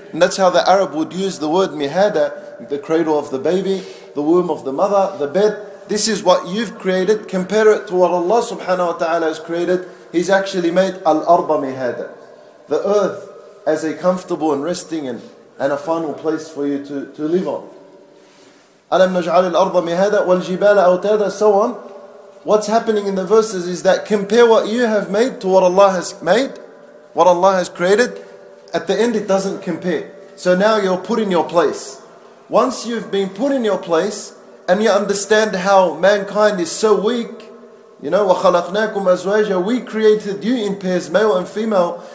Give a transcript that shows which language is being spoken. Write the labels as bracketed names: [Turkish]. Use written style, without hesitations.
[English] And that's how the Arab would use the word mihada, the cradle of the baby, the womb of the mother, the bed. This is what you've created. Compare it to what Allah subhanahu wa ta'ala has created. He's actually made al-arba mihada, the earth, as a comfortable and resting and a final place for you to live on. [Arabic] أَلَمْ نَجْعَلِ الْأَرْضَ مِهَادًا وَالْجِبَالَ أَوْتَادًا, so on. [English] What's happening in the verses is that compare what you have made to what Allah has made, what Allah has created. At the end, it doesn't compare. So now you're put in your place. Once you've been put in your place and you understand how mankind is so weak, you know, [Arabic] وَخَلَقْنَاكُمْ أَزْوَاجًا, [English] we created you in pairs, male and female.